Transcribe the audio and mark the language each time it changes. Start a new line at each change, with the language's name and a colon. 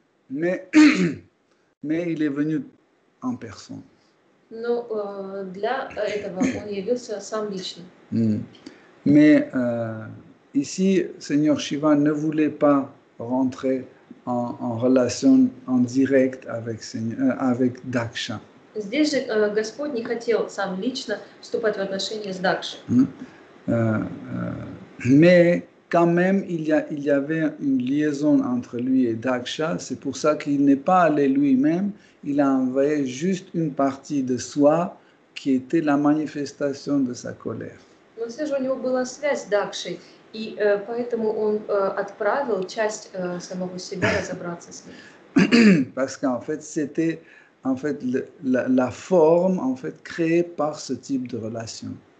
French: Mais il est venu en personne.
Russian: Но для этого он явился сам лично.
French: Mais ici, Seigneur Shiva ne voulait pas rentrer en relation en direct avec Daksha.
Russian: Здесь же Господь не хотел сам лично вступать в отношения с Дакшей.
French: Mais quand même, il y avait une liaison entre lui et Daksha. C'est pour ça qu'il n'est pas allé lui-même. Il a envoyé juste une partie de soi qui était la manifestation de sa colère.
Russian: Но все же у него была связь с Дакшей. И поэтому он отправил часть самого себя разобраться с ним.
French: Parce qu'en fait, c'était en fait la forme en fait créée par ce type de relation.